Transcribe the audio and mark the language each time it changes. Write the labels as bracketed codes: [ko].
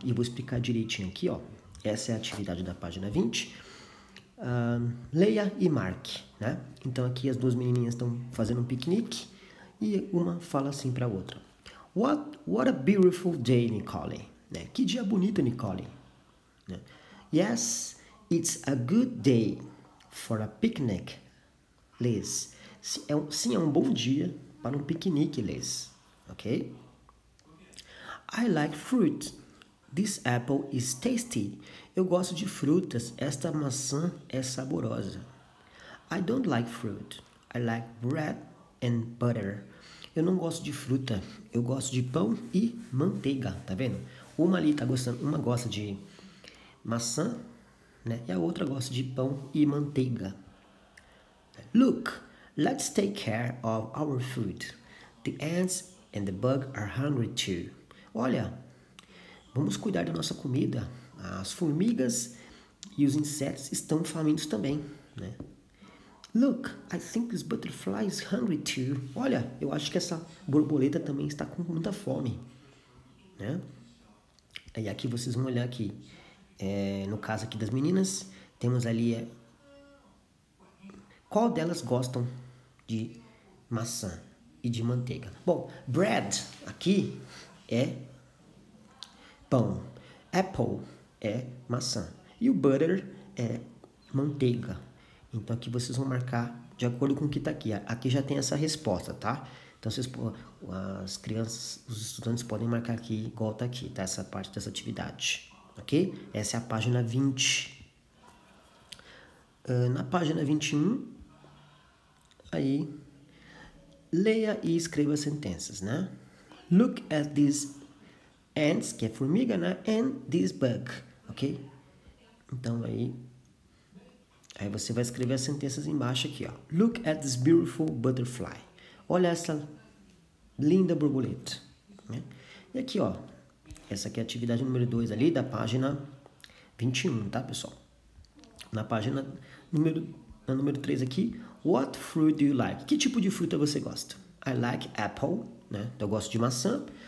[pt] E eu vou explicar direitinho aqui, ó. Essa é a atividade da página 20. Leia e marque, né? Então aqui as duas menininhas estão fazendo um piquenique e uma fala assim para a outra: [en] What a beautiful day, Nicole. [pt] Né? Que dia bonito, Nicole. Né? [en] Yes, it's a good day for a picnic, Liz. [pt] Sim, é um bom dia para um piquenique, Liz. [en] Ok? I like fruit. This apple is tasty. [pt] Eu gosto de frutas. Esta maçã é saborosa. [en] I don't like fruit. I like bread and butter. [pt] Eu não gosto de fruta. Eu gosto de pão e manteiga. Tá vendo? Uma ali tá gostando, uma gosta de maçã, né? E a outra gosta de pão e manteiga. [en] Look, let's take care of our food. The ants and the bug are hungry too. [pt] Olha, vamos cuidar da nossa comida. As formigas e os insetos estão famintos também, né? [en] Look, I think this butterfly is hungry too. [pt] Olha, eu acho que essa borboleta também está com muita fome, né? E aqui vocês vão olhar aqui, no caso aqui das meninas, temos ali, qual delas gostam de maçã e de manteiga? Bom, bread aqui é pão, apple é maçã e o butter é manteiga. Então aqui vocês vão marcar de acordo com o que está aqui. Aqui já tem essa resposta, tá? Então, as crianças, os estudantes podem marcar aqui, igual tá aqui, tá? Essa parte dessa atividade, ok? Essa é a página 20. Na página 21, aí, leia e escreva sentenças, né? [en] Look at these ants, [pt] que é formiga, né? [en] And this bug, ok? [pt] Então, aí você vai escrever as sentenças embaixo aqui, ó. [en] Look at this beautiful butterfly. [pt] Olha essa linda borboleta, né? E aqui, ó, essa aqui é a atividade número 2 ali da página 21, tá, pessoal? Na página número 3 aqui, [en] What fruit do you like? [pt] Que tipo de fruta você gosta? [en] I like apple, [pt] né? Eu gosto de maçã.